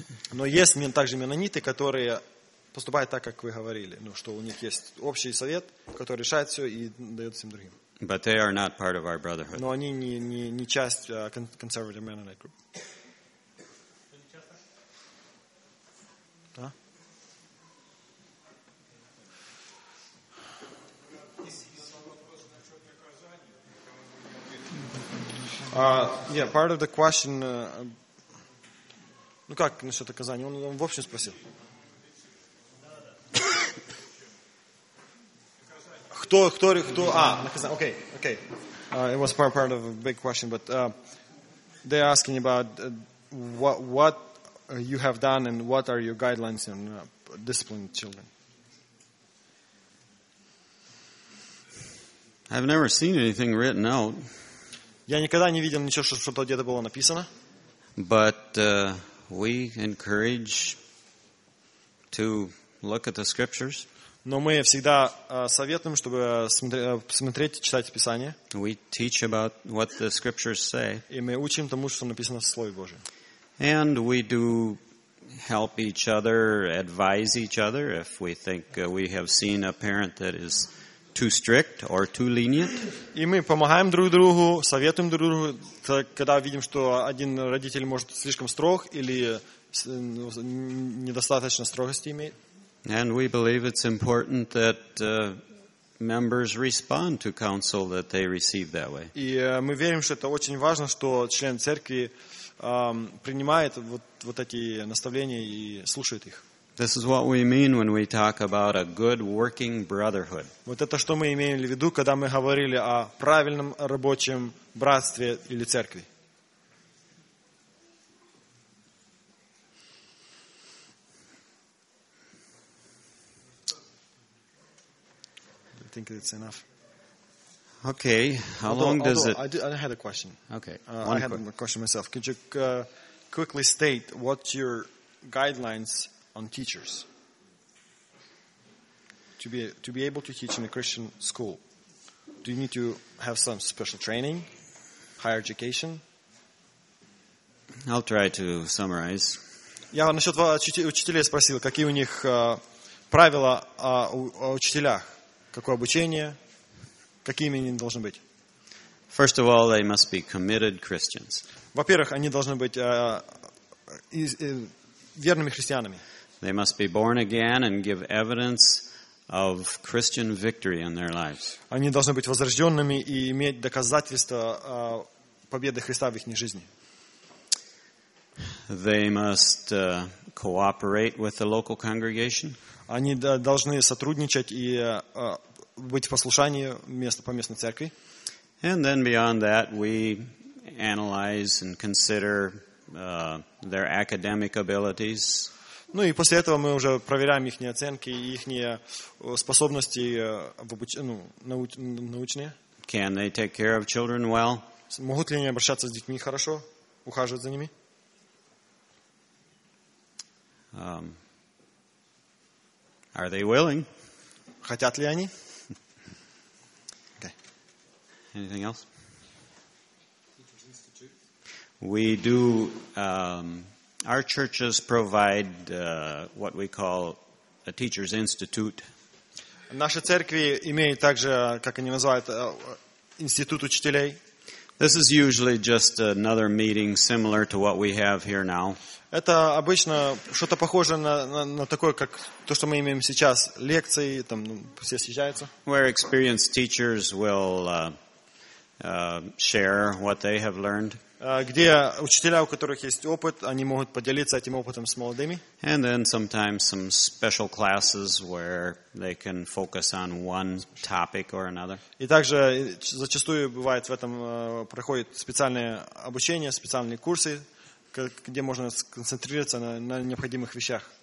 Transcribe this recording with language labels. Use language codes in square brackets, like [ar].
[ru] Но есть также менониты, которые поступают так, как вы говорили, ну, что у них есть общий совет, который решает все и дает всем другим. [en] But they are not part of our brotherhood. [ru] Но они не часть [en] conservative Mennonite group. [ru] Да? [en] Yeah, part of the question. [ru] Ну как насчет оказания? Он в общем спросил. Кто? Наказание. [en] Okay. It was part of a big question, but they're asking about what you have done and what are your guidelines on disciplining children? I've never seen anything written out. [ru] Я никогда не видел ничего, что что-то где-то было написано. [en] But we encourage to look at the scriptures. [ru] Но мы всегда советуем, чтобы смотреть, читать Писание. [en] We teach about what the scriptures say. [ru] И мы учим тому, что написано в Слове Божьем. [en] And we do help each other, advise each other if we think we have seen a parent that is too strict or too lenient. [ru] И мы помогаем друг другу, советуем друг другу, когда видим, что один родитель может слишком строг или недостаточно строгости имеет. [en] And we believe it's important that members respond to counsel that they receive that way. [ru] И мы верим, что это очень важно, что член церкви принимает вот эти наставления и слушает их. [en] This is what we mean when we talk about a good working brotherhood. [ru] Вот это что мы имели в виду, когда мы говорили о правильном рабочем братстве или церкви. [en] I think it's enough. Okay, I had a question. Okay. A question myself. Could you quickly state what your guidelines on teachers to be able to teach in a Christian school? Do you need to have some special training, higher education? I'll try to summarize. [ru] Я насчёт учителей спросил, какие у них правила о учителях, какое обучение, какими они должны быть. [en] First of all, they must be committed Christians. [ru] Во-первых, они должны быть верными христианами. [en] They must be born again and give evidence of Christian victory in their lives. [ru] Они должны быть возрождёнными и иметь доказательство победы Христа в их жизни. [en] They must cooperate with the local congregation. [ru] Они должны сотрудничать и быть в послушании по местной церкви. [en] And then beyond that, we analyze and consider their academic abilities. [ru] Ну и после этого мы уже проверяем их оценки и их способности научные. [en] Can they take care of children well? [ru] Могут ли они обращаться с детьми хорошо, ухаживать за ними? [en] Are they willing? [ru] Хотят ли они? [en] Okay. Anything else? We do. Our churches provide what we call a teachers institute. [ru] Наши церкви имеют также, как они называют, институт учителей. [en] This is usually just another meeting similar to what we have here now. [ru] Это обычно что-то похожее на такое, как то, что мы имеем сейчас, лекции там все съезжаются. [en] Where experienced teachers will share what they have learned. [ru] Где учителя, у которых есть опыт, они могут поделиться этим опытом с молодыми. [en] And then sometimes some special classes where they can focus on one topic or another. [ru] И также зачастую бывает в этом проходит специальное обучение, специальные курсы, где можно сконцентрироваться на необходимых вещах.